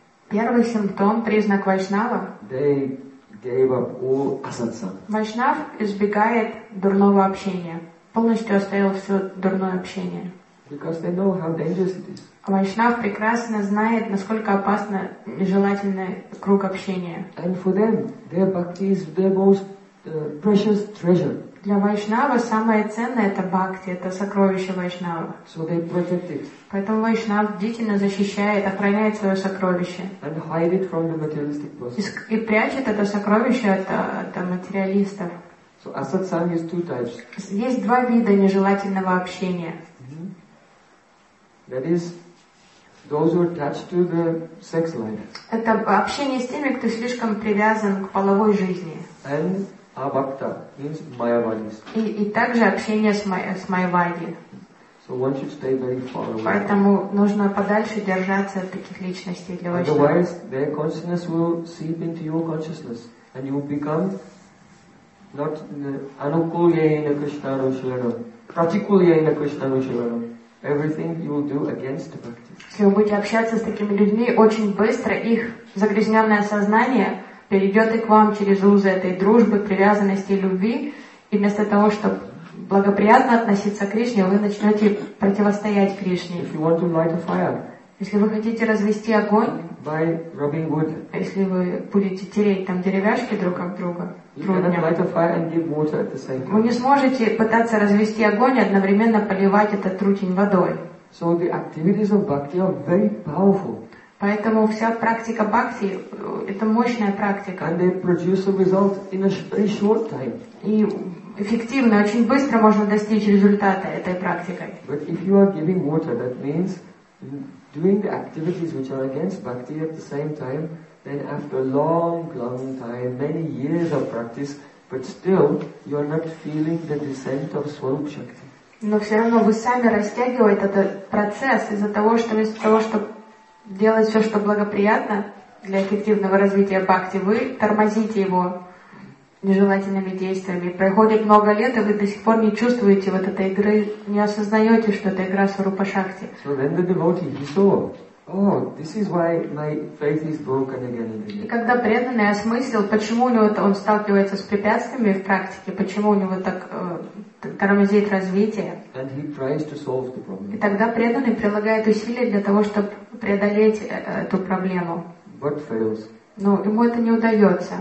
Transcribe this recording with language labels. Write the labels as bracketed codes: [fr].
[ru] Первый симптом, признак Вайшнава. [en] They gave up all асат санга. [ru] Вайшнав избегает дурного общения, полностью оставил все дурное общение. [en] Because they know how dangerous it is. [ru] Вайшнав прекрасно знает, насколько опасно нежелательный круг общения. [en] And for them, their bhakti is their most precious treasure. [ru] Для вайшнава самое ценное это бхакти, это сокровище вайшнава. [en] So they protect it. [ru] Поэтому вайшнав бдительно защищает, охраняет свое сокровище. [en] And hide it from the materialistic person. [ru] И прячет это сокровище от материалистов. [en] So asat sang is two types. [ru] Есть два вида нежелательного общения. [en] That is those who are attached to the sex life. [ru] Это общение с теми, кто слишком привязан к половой жизни. [en] And abhakta means mayavadis. [ru] И также общение с майавади. [en] So one should stay very far away. [ru] Поэтому нужно подальше держаться от таких личностей для вашего. [en] Otherwise, their consciousness will seep into your consciousness, and you will become not anukulyena krishnanu shivanam, pratikulyena krishnanu shivanam. Everything you will do against the practice. [ru] Если вы будете общаться с такими людьми, очень быстро их загрязненное сознание перейдет и к вам через узы этой дружбы, привязанности и любви. И вместо того, чтобы благоприятно относиться к Кришне, вы начнете противостоять Кришне. [en] If you want to light a fire, [ru] если вы хотите развести огонь, [en] by rubbing wood, [ru] если вы будете тереть там деревяшки друг об друга, вы не сможете пытаться развести огонь и одновременно поливать этот трутень водой. [en] So the activities of bhakti are very powerful. [ru] Поэтому вся практика бхакти – это мощная практика. [en] And they produce a result in a very short time. [ru] И эффективно, очень быстро можно достичь результата этой практикой. [en] But if you are giving water, that means doing the activities which are against bhakti at the same time, then after a long, long time, many years of practice, but still you are not feeling the descent of Swarup Shakti. [ru] Но все равно вы сами растягиваете этот процесс из-за того, что делать все, что благоприятно для эффективного развития бхакти, вы тормозите его нежелательными действиями. Проходит много лет, и вы до сих пор не чувствуете вот этой игры, не осознаете, что это игра Сварупа Шакти. [en] So then the devotee, he saw, oh, this is why my faith is broken again and again. [ru] И когда преданный осмыслил, почему у него он сталкивается с препятствиями в практике, почему у него так тормозит развитие. [en] And he tries to solve the problem. [ru] И тогда преданный прилагает усилия для того, чтобы преодолеть эту проблему. [en] But fails. [ru] Но ему это не удается.